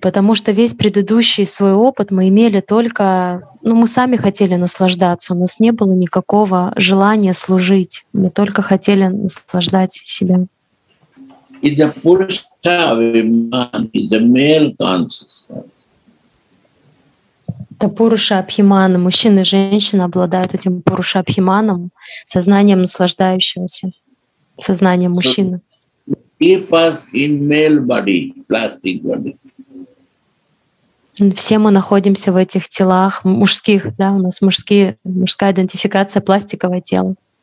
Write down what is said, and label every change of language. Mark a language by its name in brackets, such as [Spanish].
[Russian] Потому что весь предыдущий свой опыт мы имели только, ну, мы сами хотели наслаждаться. У нас не было никакого желания служить. Мы только хотели наслаждать себя. [English] It's a purusha abhiman, it's a male consciousness. [Russian] Это Пуруша Абхимана. Мужчины и женщины обладают этим Пуруша Абхиманом, сознанием наслаждающегося, сознанием мужчины. Все мы находимся в этих телах мужских, да, у нас мужские, мужская идентификация, пластиковое тело.